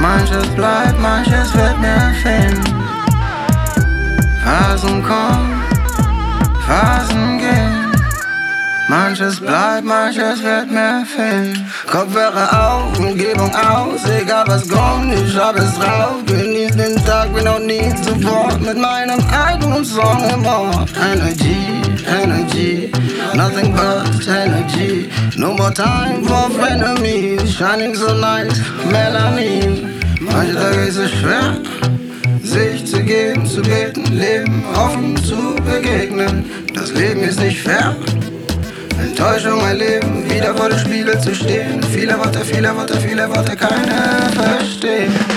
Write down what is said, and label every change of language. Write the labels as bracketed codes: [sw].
[de] Manches bleibt, manches wird mir fehlen. Phasen kommen, Phasen gehen. Manches bleibt, manches wird mir fehlen. Kopfhörer auf, Umgebung aus, egal was kommt, ich hab es drauf. Genieß den Tag, bin auch nie zuvor. Mit meinem eigenen Song im Ort. [en] Energy, energy, nothing but energy. No more time for frenemies. Shining so nice, Melanie. [de] Manche Tage ist es schwer, sich zu geben, zu beten, Leben offen zu begegnen. Das Leben ist nicht fair. Enttäuschung erleben, wieder vor dem Spiegel zu stehen. Viele Worte, viele Worte, viele Worte, keine verstehen.